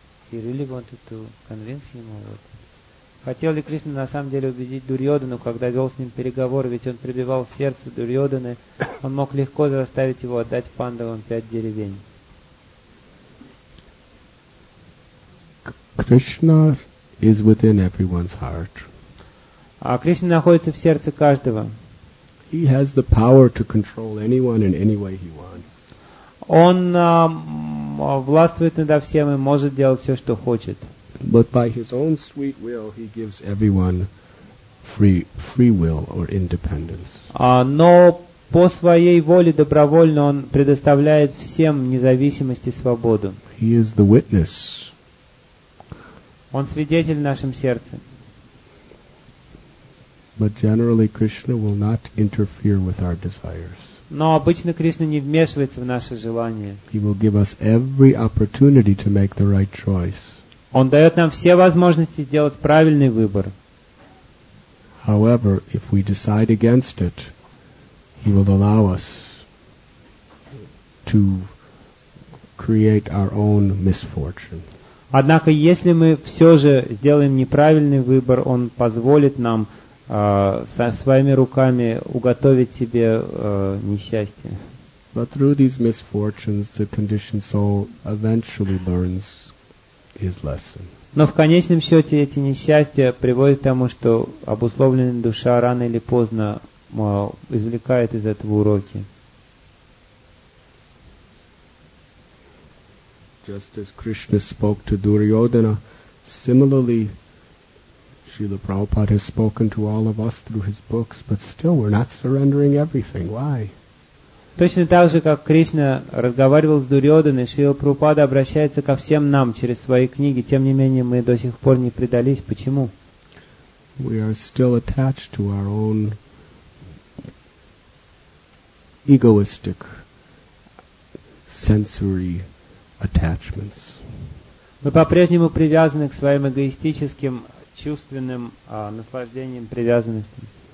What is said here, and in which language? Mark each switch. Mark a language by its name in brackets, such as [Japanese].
[English] He really wanted to convince him of it. [Russian] Хотел ли Кришна на самом деле убедить Дурьодану, когда вел с ним переговоры, ведь он прибивал сердце Дурьоданы, он мог легко заставить его отдать Пандавам 5 деревень. [English] Krishna is within everyone's heart. [Russian] А Кришна находится в сердце каждого. [English] He has the power to control anyone in any way he wants. [Russian] Он властвует над всем и может делать все, что хочет. [English] But by his own sweet will, he gives everyone free will or independence. [Russian] Но по своей воле добровольно он предоставляет всем независимость и свободу. [English] He is the witness. [Russian] Он свидетель в нашем сердце. [English] But generally, Krishna will not interfere with our desires. [Russian] Но обычно Кришна не вмешивается в наши желания. [English] He will give us every opportunity to make the right choice. [Russian] Он дает нам все возможности сделать правильный выбор. [English] However, if we decide against it, he will allow us to create our own misfortune. [Russian] Однако, если мы все же сделаем неправильный выбор, он позволит нам со своими руками уготовить себе несчастье. [English] But through these misfortunes, the conditioned soul eventually learns his lesson. [Russian] Но в конечном счете эти несчастья приводят к тому, что обусловленная душа рано или поздно извлекает из этого уроки. [English] just as Krishna spoke to Duryodhana, similarly, Srila Prabhupada has spoken to all of us through his books, but still we're not surrendering everything. Why? [Russian] Точно так же, как Кришна разговаривал с Дурьоданой, Шрила Прабхупада обращается ко всем нам через свои книги, тем не менее мы до сих пор не предались. Почему? [English] We are still attached to our own egoistic sensory attachments. [Russian] Мы по-прежнему привязаны к своим эгоистическим чувственным наслаждениям, привязанностям.